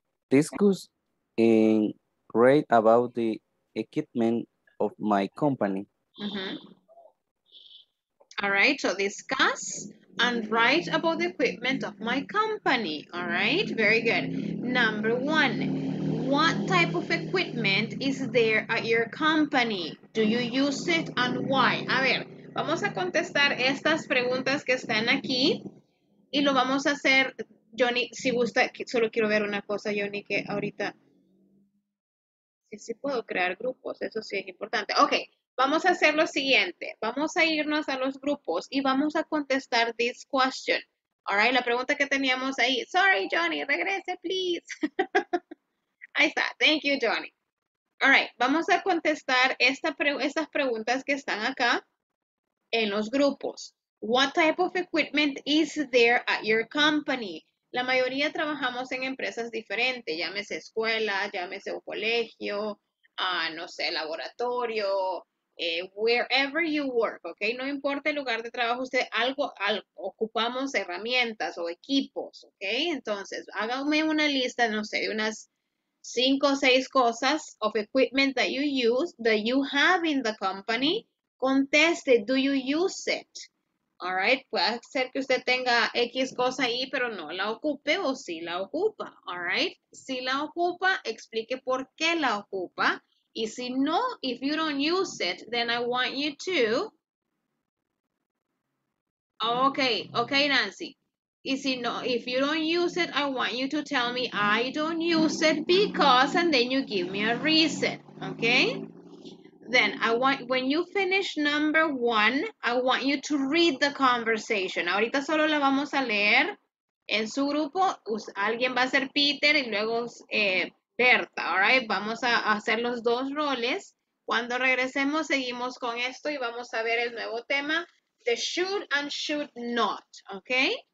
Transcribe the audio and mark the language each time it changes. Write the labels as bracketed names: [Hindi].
[English] Discuss in great about the equipment of my company. All right, so discuss and write about the equipment of my company. All right, very good. Number one, what type of equipment is there at your company? Do you use it and why? [Spanish] A ver, vamos a contestar estas preguntas que están aquí y lo vamos a hacer, Johnny, si gusta, solo quiero ver una cosa, Johnny, que ahorita, si puedo crear grupos, eso sí es importante. Okay. Vamos a hacer lo siguiente. Vamos a irnos a los grupos y vamos a contestar [English] this question. [Spanish] All right, la pregunta que teníamos ahí. [English] Sorry, [Spanish] Johnny, regrese, please. Ahí está. [English] Thank you, [Spanish] Johnny. All right, vamos a contestar estas preguntas que están acá en los grupos. [English] What type of equipment is there at your company? [Spanish] La mayoría trabajamos en empresas diferentes, llámese escuela, llámese un colegio, no sé, laboratorio, [English] wherever you work, [Spanish] ¿ok? No importa el lugar de trabajo, usted algo, ocupamos herramientas o equipos, ¿ok? Entonces, hágame una lista, no sé, de unas 5 o 6 cosas [English] of equipment that you use, that you have in the company. [Spanish] Conteste, [English] do you use it? [Spanish] All right, puede ser que usted tenga X cosa ahí, pero no la ocupe o sí la ocupa. All right, si la ocupa, explique por qué la ocupa. Y si no, [English] if you don't use it, then I want you to. Okay, Nancy. [Spanish] Y si no, [English] if you don't use it, I want you to tell me I don't use it because, and then you give me a reason, okay? Then I want, when you finish number one, I want you to read the conversation. [Spanish] Ahorita solo la vamos a leer en su grupo. Alguien va a ser Peter y luego Berta, all right? Vamos a hacer los dos roles. Cuando regresemos, seguimos con esto y vamos a ver el nuevo tema, [English] the should and should not, [Spanish] okay?